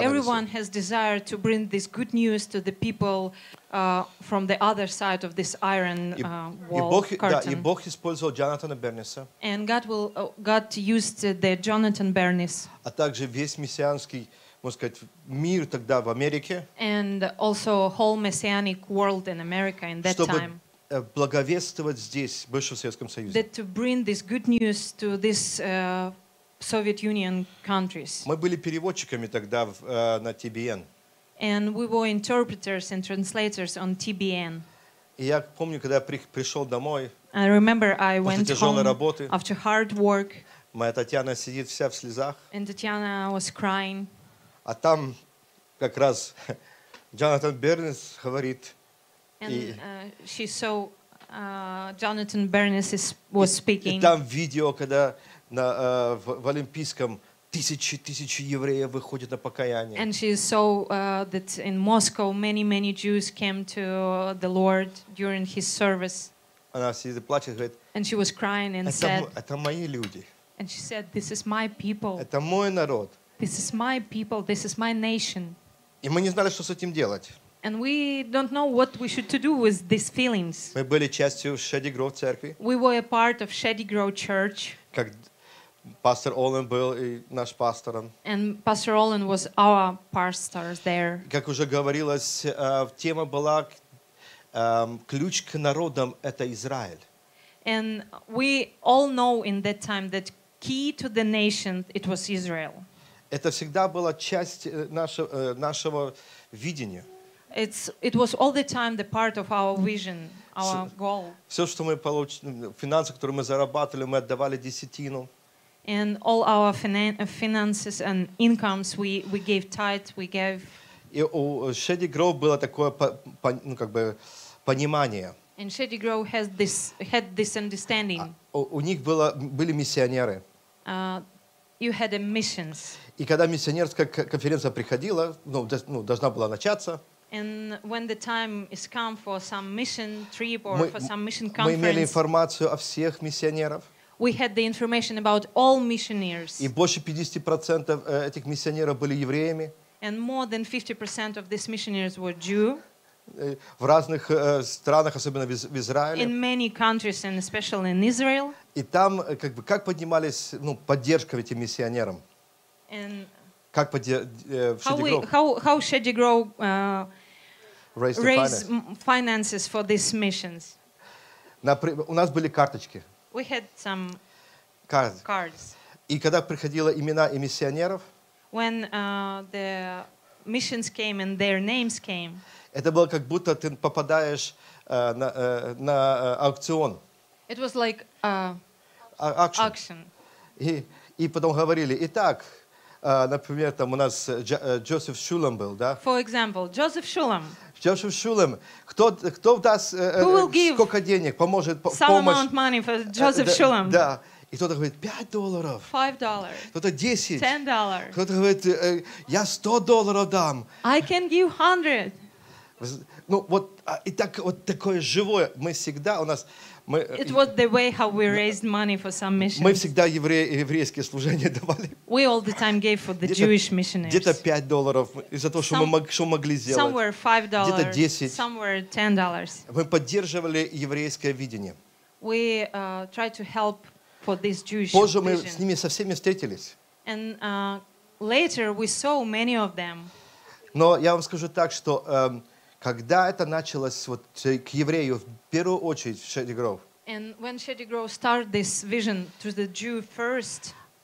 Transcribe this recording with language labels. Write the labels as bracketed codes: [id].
[en] Everyone has desire to bring this good news to the people from the other side of this iron wall curtain. [ru] Да, и Бог использовал Джонатана Берниса. [en] And God used the Jonathan Bernis. [ru] А также весь мессианский, можно сказать, мир тогда в Америке. [en] And also whole messianic world in America in that time. [ru] благовествовать здесь, в бывшем Советском Союзе. [en] That to bring this good news to this Soviet Union countries. [ru] Мы были переводчиками тогда на TBN. [en] And we were interpreters and translators on TBN. [ru] И я помню, когда я пришел домой, [en] I remember I [ru] после [en] went [ru] тяжелой [en] home [ru] работы, [en] after hard work, [ru] моя Татьяна сидит вся в слезах, [en] and Татьяна was crying. [ru] А там как раз Джонатан Бернес говорит, [en] and she saw Jonathan Bernes was speaking. [ru] И там видео, когда на в Олимпийском тысячи евреев выходят на покаяние. [en] And she saw that in Moscow many Jews came to the Lord during his service. [ru] Она сидит и плачет, говорит. [en] And she was crying and [ru] это [en] said. [ru] Это мои люди. [en] And she said, this is my people. [ru] Это мой народ. [en] This is my people. This is my nation. [ru] И мы не знали, что с этим делать. [en] And we don't know what we should to do with these feelings. [ru] Мы были частью Shady Grove Церкви. [en] We were a part of Shady Grove Church. [ru] Как пастор Олен был и наш пастором. [en] And Pastor Olin was our pastor there. [ru] Как уже говорилось, тема была ключ к народам — это Израиль. [en] And we all know in that time that key to the nation it was Israel. [ru] Это всегда была часть нашего видения. [en] It was all the time the part of our vision, our goal. [ru] Все, что мы получили, финансы, которые мы зарабатывали, мы отдавали десятину. [en] And all our finances and incomes, we gave tithe, we gave. [ru] И у Shady Grove было такое, ну, как бы, понимание. [en] And Shady Grove had this understanding. [ru] У них были миссионеры. [en] You had a missions. [ru] И когда миссионерская конференция приходила, ну, должна была начаться. [en] And when the time is come for some mission trip or for some mission conference, [ru] мы имели информацию о всех миссионеров. [en] We had the information about all missionaries. [ru] И больше 50% этих миссионеров были евреями. [en] And more than 50% of these missionaries were Jew. [ru] В разных странах, особенно в Израиле. [en] In many countries and especially in Israel. [ru] И там как бы как поднималась, ну, поддержка этим миссионерам? [en] And [ru] как [en] how Shady Grove raise finances for these missions? [ru] Например, у нас были карточки. [en] We had some cards. [ru] И когда приходило имена и миссионеров, [en] when the missions came and their names came, [ru] это было как будто ты попадаешь на аукцион. [en] It was like auction. [ru] И потом говорили, итак. Например, там у нас Джозеф Шулем был, да? [en] For example, Joseph Shulam. Joseph Shulam. [ru] Кто даст сколько денег, поможет, [en] some [ru] помощь? [en] Some amount of money for Joseph Shulam. [ru] Да. И кто-то говорит, $5. [en] $5. [ru] Кто-то 10. [en] $10. [ru] Кто-то говорит, я $100 дам. [en] I can give 100. [ru] Ну, вот, и так, вот такое живое. Мы всегда, у нас... [en] It was the way how we raised money for some missions. [ru] Мы всегда еврейские служения давали. [en] We all the time gave for the Jewish missionaries. [ru] Где-то $5 из-за того, что мы могли сделать. [en] Somewhere $5. [ru] Где-то 10. [en] Somewhere $10. [ru] Мы поддерживали еврейское видение. [en] We tried to help for this Jewish [ru] Позже мы с ними со всеми встретились. [en] And later we saw many of them. [ru] Но я вам скажу так, что когда это началось вот к еврею, в первую очередь, в Shady Grove. [en] And when Shady Grove started this vision to the Jew first.